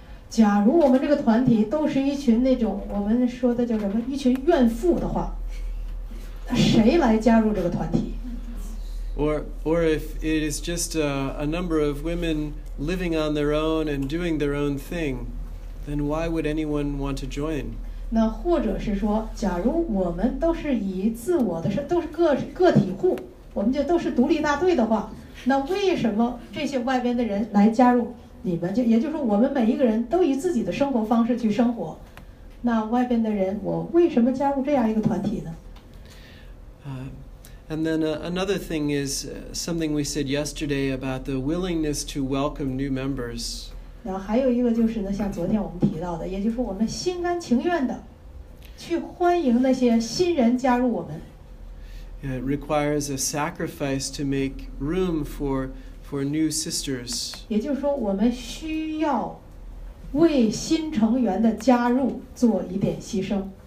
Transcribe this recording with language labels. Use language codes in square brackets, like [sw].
[zh] 假如我们这个团体都是一群那种我们说的叫什么一群怨妇的话，谁来加入这个团体？ [en] Or if it is just a number of women living on their own and doing their own thing, then why would anyone want to join? [zh] 那或者是说，假如我们都是以自我的都是 个体户，我们就都是独立大队的话，那为什么这些外边的人来加入？你们就也就是说，我们每一个人都以自己的生活方式去生活。那外边的人，我为什么加入这样一个团体呢？ [en] And then another thing is something we said yesterday about the willingness to welcome new members. [zh] 然后还有一个就是呢，像昨天我们提到的，也就是我们心甘情愿的去欢迎那些新人加入我们。 [en] It requires a sacrifice to make room for new sisters. [zh] 也就是说我们需要为新成员的加入做一点牺牲。